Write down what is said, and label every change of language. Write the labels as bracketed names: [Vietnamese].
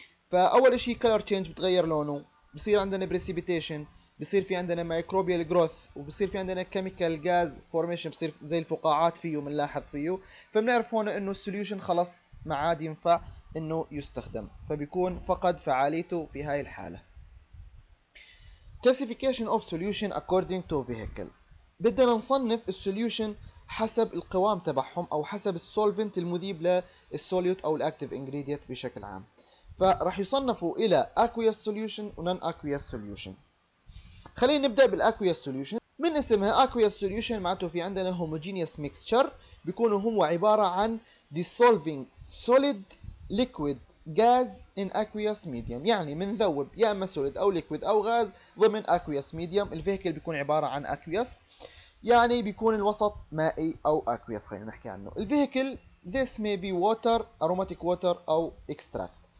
[Arabic] فاول شيء كلر تشينج بتغير لونه، بصير عندنا بريسيبيتيشن، بصير في عندنا مايكروبيال جروث، وبصير في عندنا كيميكال غاز فورميشن، بصير زي الفقاعات فيه بنلاحظ فيه. فبنعرف هون انه السوليوشن خلص ما عاد ينفع انه يستخدم، فبيكون فقد فعاليته في هاي الحاله. [English] Classification of solution according to vehicle. [Arabic] بدنا نصنف السوليوشن حسب القوام تبعهم او حسب السولفنت المذيب للسوليوت او الاكتيف انجريديت بشكل عام. فراح يصنفوا الى aqueous solution و non-aqueous solution. خلينا نبدا بالaqueous solution. من اسمها aqueous solution معناته في عندنا homogeneous mixture، بيكونوا هو عباره عن [English] dissolving solid liquid gas in aqueous medium، [Arabic] يعني منذوب يا اما solid او liquid او غاز ضمن aqueous medium. الفيكل بيكون عباره عن aqueous، يعني بيكون الوسط مائي او aqueous. خلينا نحكي عنه الفيكل، [English] this may be water, aromatic water او extract.